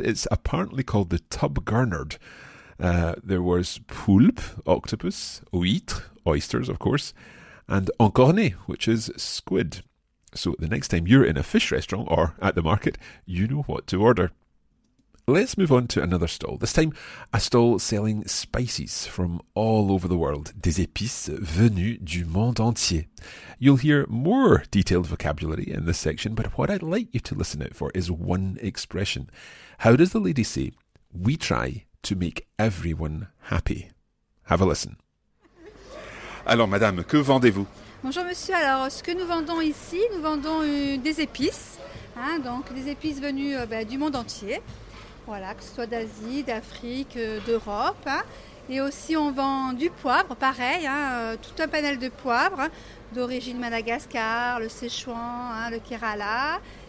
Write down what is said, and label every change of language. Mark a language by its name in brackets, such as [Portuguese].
[English] It's apparently called the tub gurnard. There was poulpe, octopus, huître, oysters, of course, and encorné, which is squid. So the next time you're in a fish restaurant or at the market, you know what to order. Let's move on to another stall. This time, a stall selling spices from all over the world. [French] Des épices venues du monde entier. [English] You'll hear more detailed vocabulary in this section, but what I'd like you to listen out for is one expression. How does the lady say, we try to make everyone happy. Have a listen. [French] Alors, madame, que vendez-vous? Bonjour, monsieur. Alors, ce que nous vendons ici, nous vendons des épices. Hein, donc, des épices venues du monde entier. Voilà, que ce soit d'Asie, d'Afrique, d'Europe. Hein. Et aussi, on vend du poivre, pareil, hein, tout un panel de poivre hein, d'origine Madagascar, le Sichuan, hein, le Kerala.